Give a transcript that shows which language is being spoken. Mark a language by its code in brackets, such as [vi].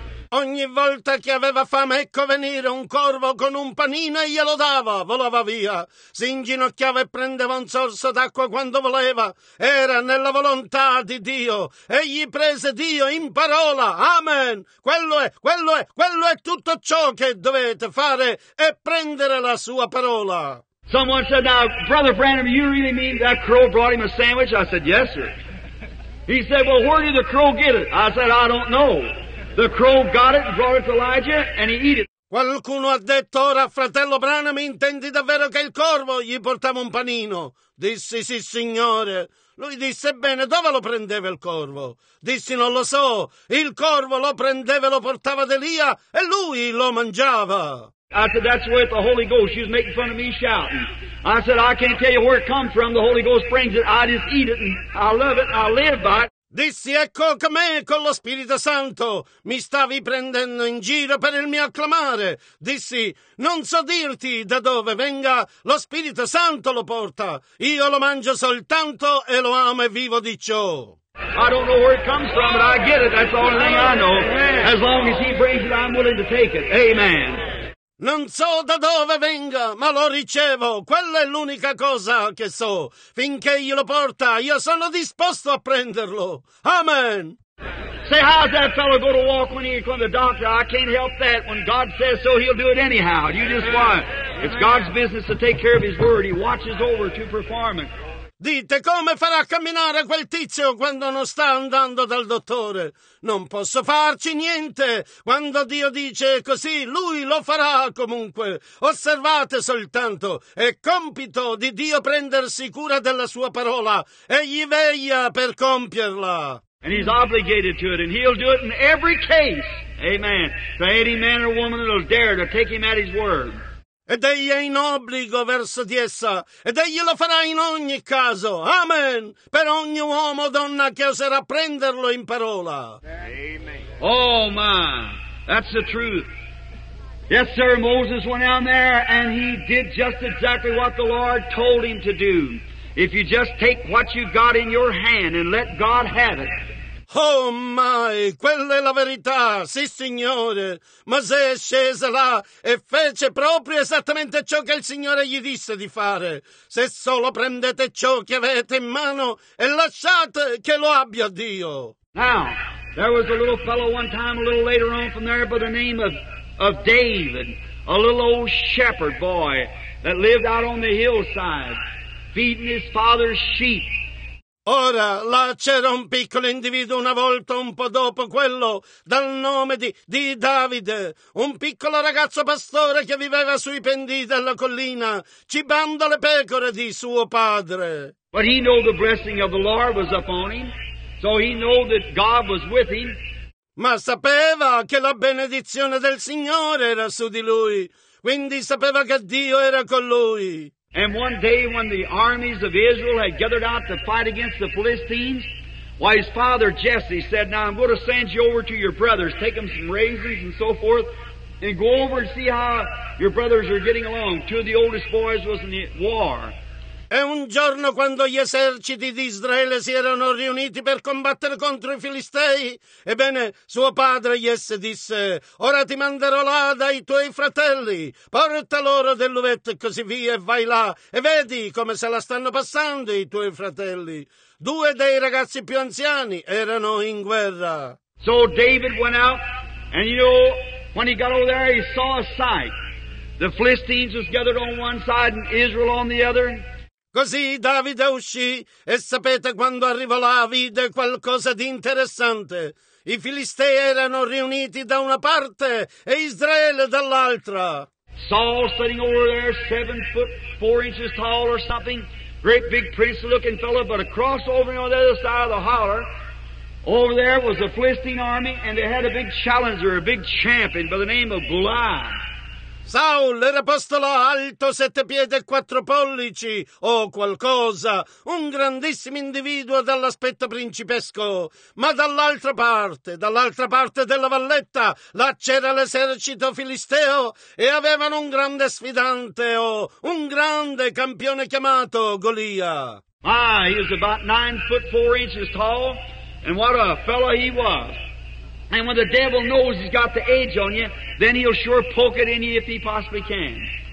[it] Ogni volta che aveva fame, ecco venire un corvo con un panino e glielo dava. Volava via. Si inginocchiava e prendeva un sorso d'acqua quando voleva. Era nella volontà di Dio. Egli prese Dio in parola. Amen. Quello è tutto ciò che dovete fare è prendere la sua parola. [en] Someone said, now, Brother Branham, you really mean that crow brought him a sandwich? I said, yes, sir. He said, well, where did the crow get it? I said, I don't know. The crow got it and brought it to Elijah, and he ate it. [it] Qualcuno ha detto, ora, fratello Branham, intendi davvero che il corvo gli portava un panino? Dissi, sì, signore. Lui disse, bene, dove lo prendeva il corvo? Dissi, non lo so. Il corvo lo prendeva e lo portava ad Elia, e lui lo mangiava. [en] I said, that's with the Holy Ghost. She was making fun of me shouting. I said, I can't tell you where it comes from. The Holy Ghost brings it. I just eat it and I love it and I live by it. [it] Dissi, ecco com'è con lo Spirito Santo. Mi stavi prendendo in giro per il mio acclamare. Dissi, non so dirti da dove venga. Lo Spirito Santo lo porta. Io lo mangio soltanto e lo amo e vivo di ciò. [en] I don't know where it comes from, but I get it. That's the only thing I know. As long as he brings it, I'm willing to take it. Amen. [it] Non so da dove venga, ma lo ricevo. Quella è l'unica cosa che so. Finché glielo porta, io sono disposto a prenderlo. Amen. [en] Say, how's that fellow go to walk when he's going to the doctor? I can't help that. When God says so, he'll do it anyhow. You just why? It's God's business to take care of his word. He watches over to perform it. [it] Dite, come farà a camminare quel tizio quando non sta andando dal dottore? Non posso farci niente. Quando Dio dice così, lui lo farà comunque. Osservate soltanto. È compito di Dio prendersi cura della sua parola. Egli veglia per compierla. [en] And he's obligated to it, and he'll do it in every case. Amen. To any man or woman that'll dare to take him at his word. [it] Ed egli è in obbligo verso di essa, ed egli lo farà in ogni caso. Amen! Per ogni uomo o donna che oserà prenderlo in parola. [en] Amen. Oh, my! That's the truth. Yes, sir, Moses went down there, and he did just exactly what the Lord told him to do. If you just take what you got in your hand and let God have it, Oh, my! [it] Quella è la verità, sì, signore! Mosè è sceso là e fece proprio esattamente ciò che il Signore gli disse di fare. Se solo prendete ciò che avete in mano e lasciate che lo abbia Dio! [en] Now, there was a little fellow one time, a little later on from there, by the name of David, a little old shepherd boy that lived out on the hillside, feeding his father's sheep. [it] Ora, là c'era un piccolo individuo una volta, un po' dopo quello, dal nome di Davide, un piccolo ragazzo pastore che viveva sui pendii della collina, cibando le pecore di suo padre. [en] But he knew the blessing of the Lord was upon him, so he knew that God was with him. [it] Ma sapeva che la benedizione del Signore era su di lui, quindi sapeva che Dio era con lui. [en] And one day when the armies of Israel had gathered out to fight against the Philistines, why, his father Jesse said, "Now I'm going to send you over to your brothers, take them some raisins and so forth, and go over and see how your brothers are getting along." Two of the oldest boys was in the war. [it] E un giorno quando gli eserciti di Israele si erano riuniti per combattere contro i Filistei, ebbene, suo padre Jesse disse, ora ti manderò là dai tuoi fratelli, porta loro dell'uvetto e così via e vai là e vedi come se la stanno passando i tuoi fratelli. Due dei ragazzi più anziani erano in guerra. [en] So David went out and you know, when he got over there he saw a sight. The Philistines was gathered on one side and Israel on the other. [it] Così Davide uscì e sapete quando arrivò là vide qualcosa di interessante. I Filistei erano riuniti da una parte e Israele dall'altra. [en] Saul sitting over there 7'4" tall or something, great big priestly looking fellow, but across over on the other side of the holler, over there was the Philistine army and they had a big challenger, a big champion by the name of Goliath. [it] Saul era posto là alto 7 piedi e 4 pollici o qualcosa, un grandissimo individuo dall'aspetto principesco, ma dall'altra parte della valletta, là c'era l'esercito filisteo e avevano un grande sfidante o un grande campione chiamato Golia. [en] Ah, he was about 9'4" tall, and what a fellow he was. And when the devil knows he's got the edge on you, then he'll sure poke it in you if he possibly can.